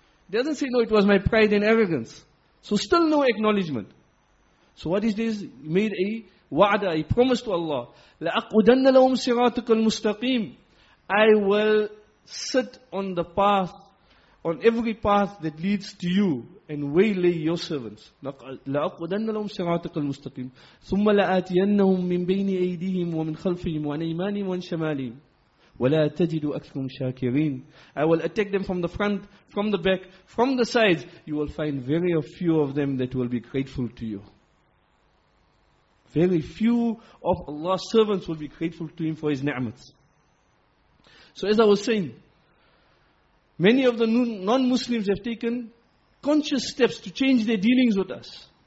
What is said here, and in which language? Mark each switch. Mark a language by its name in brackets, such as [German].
[English] He doesn't say, no, it was my pride and arrogance. So still no acknowledgement. So what he says? He made a wa'ada, a promise to Allah. [Arabic] لَأَقْوَدَنَّ لَهُمْ صِرَاطِكَ الْمُسْتَقِيمِ. [English] I will sit on the path, on every path that leads to you, and waylay your servants. [Arabic] لَأَقْوَدَنَّ لَهُمْ صِرَاطِكَ الْمُسْتَقِيمِ ثُمَّ لَآتِيَنَّهُمْ مِنْ بَيْنِ أَيْدِيهِمْ وَمِنْ خَلْفِهِمْ وَعَنْ أَيْمَانِهِمْ وَعَنْ شَمَالِهِمْ وَلَا تَجِدُ أَكْثَرَهُمْ شَاكِرِينَ. [English] I will attack them from the front, from the back, from the sides. You will find very few of them that will be grateful to you. Very few of Allah's servants will be grateful to Him for His ni'mat. So as I was saying, many of the non-Muslims have taken conscious steps to change their dealings with us.